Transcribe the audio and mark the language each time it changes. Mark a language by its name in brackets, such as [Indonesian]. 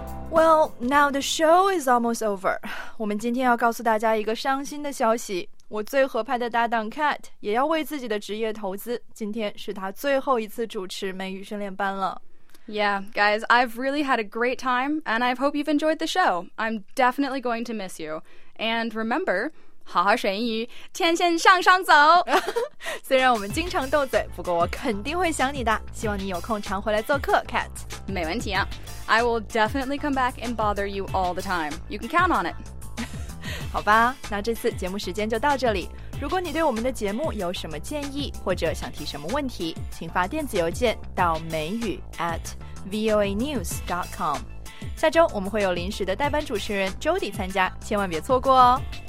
[English] Well, now the show is almost over. [Chinese] 我们今天要告诉大家一个伤心的消息。我最合拍的搭档 Cat 也要为自己的职业投资。今天是他最后一次主持美语训练班了。 [English] Yeah, guys, I've really had a great time, and I hope you've enjoyed the show. I'm definitely going to miss you. And remember, [Chinese] 好好学英语，天线向上走。虽然我们经常斗嘴，不过我肯定会想你的。希望你有空常回来做客 ，Cat。没问题啊。 [English] I will definitely come back and bother you all the time. You can count on it. [Chinese] 好吧，那这次节目时间就到这里。如果你对我们的节目有什么建议，或者想提什么问题，请发电子邮件到美语 @voanews.com。下周我们会有临时的代班主持人 Jody 参加，千万别错过哦。